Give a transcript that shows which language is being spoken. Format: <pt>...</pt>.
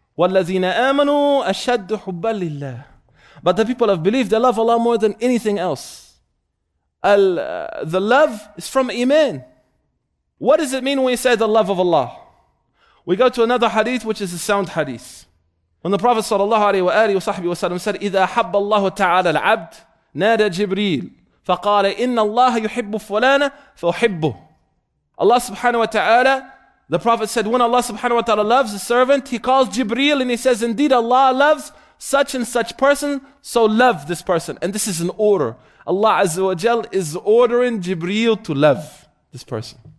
<ar>وَالَّذِينَ آمَنُوا أَشَدُّ حُبَّا لِلَّهِ.</ar> <en>But the people of belief, they love Allah more than anything else. The love is from Iman. What does it mean when we say the love of Allah? We go to another hadith, which is a sound hadith. When the Prophet sallallahu alayhi wa alihi wa sahbihi wa sallam said,</en> <ar>إِذَا حَبَّ اللَّهُ تَعَالَى الْعَبْدِ نَادَى جِبْرِيلِ فَقَالَ إِنَّ اللَّهَ يُحِبُّ فُلَانَ فَأُحِبُّهُ.</ar> <en>Allah subhanahu wa ta'ala, the Prophet said, when Allah subhanahu wa ta'ala loves a servant, he calls Jibreel and he says, indeed Allah loves such and such person, so love this person. And this is an order. Allah Azza wa Jal is ordering Jibreel to love this person.</en>